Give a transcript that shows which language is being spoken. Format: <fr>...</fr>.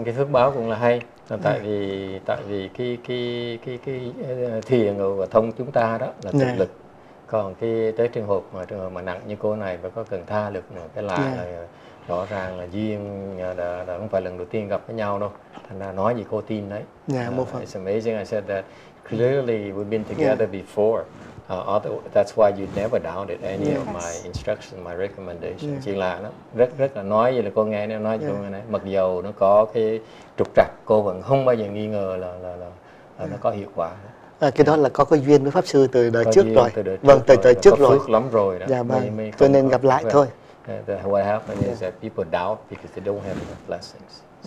<vi>Cái phước báo cũng là hay. Tại vì cái thiền và thông chúng ta đó là tự lực. Còn cái tới trường hợp mà nặng như cô này mà có cần tha lực nữa, cái lại rõ ràng là duyên đã không phải lần đầu tiên gặp với nhau đâu. Thành ra nói gì cô tin đấy.</vi> <en>It's amazing. I said that clearly we've been together before. That's why you never doubted any of my instructions, my recommendations.</en> <vi>Chỉ là nó rất là nói vậy là cô nghe nó nói cho cô nghe này. Mặc dù nó có cái trục trặc, cô vẫn không bao giờ nghi ngờ là nó có hiệu quả. À, cái đó là có duyên với pháp sư từ đời có trước rồi. Từ đời trước rồi. Phước lắm rồi. Dạ vâng. Cho nên gặp lại thôi.</vi> <en>What happened is that people doubt because they don't have enough blessings.</en>